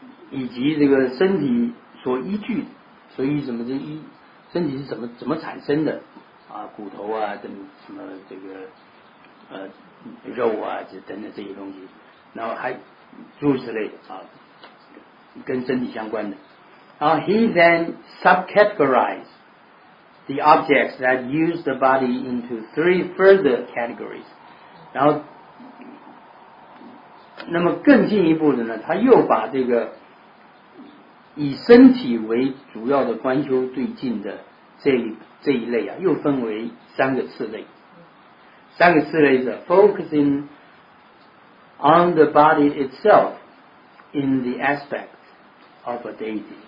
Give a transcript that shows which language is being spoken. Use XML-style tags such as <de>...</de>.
<zh>以及这个身体所依据，所以什么这一身体是怎么产生的啊，骨头啊等什么这个肉啊等等这些东西，然后还诸此类的啊，跟身体相关的。然后</zh> <en>he then subcategorized the objects that use the body into three further categories.</en> <zh>然后那么更进一步的呢，他又把这个以身体为主要的观修对境的这一类啊，又分为三个次类。三个次类是</zh> <en>focusing on the body itself in the aspect of a deity。</en>